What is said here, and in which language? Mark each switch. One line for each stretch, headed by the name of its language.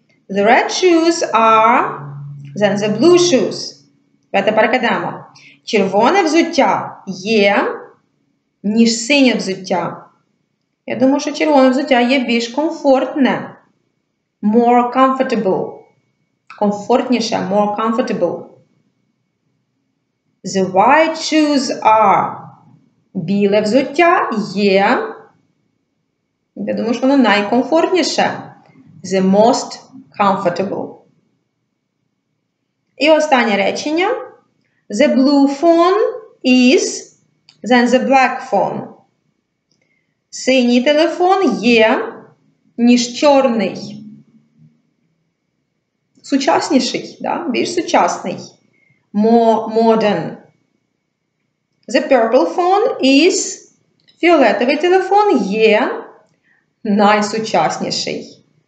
English: The red shoes are than the blue shoes.
Ukrainian: Давай тепер кажемо. Червоне взуття є, ніж синє взуття. Я думаю, що червоне взуття є більш комфортне.
English: More comfortable.
Ukrainian: Комфортніше.
English: More comfortable. The white shoes are.
Ukrainian: Біле взуття є. Я думаю, що воно найкомфортніше.
English: The most comfortable.
Ukrainian: І останнє речення.
English: The blue phone is than the black phone.
Ukrainian: Синій телефон є, ніж чорний. Сучасніший, да? Більш сучасний.
English: More modern. The purple phone is,
Ukrainian: фіолетовий телефон є, найсучасніший.